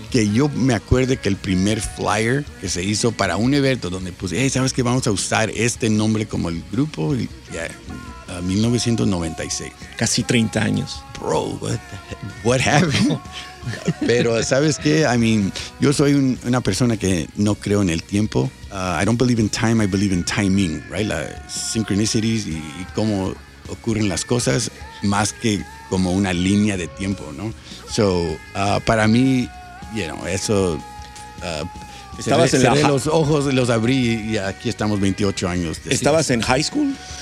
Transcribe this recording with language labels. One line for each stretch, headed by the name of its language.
Spanish: Que yo me acuerde que el primer flyer que se hizo para un evento donde puse, hey, ¿sabes qué? Vamos a usar este nombre como el grupo. Y, 1996. Casi 30 años.
English: Bro, what happened?
Spanish: Pero, ¿sabes qué?
English: I mean,
Spanish: yo soy una persona que no creo en el tiempo.
English: I don't believe in time, I believe in timing, right?
Spanish: Las synchronicities y cómo ocurren las cosas, más que como una línea de tiempo, ¿no? So, para mí,
English: you know,
Spanish: eso. Estabas en cerré los ojos, los abrí y aquí estamos 28 años. ¿Estabas en high school?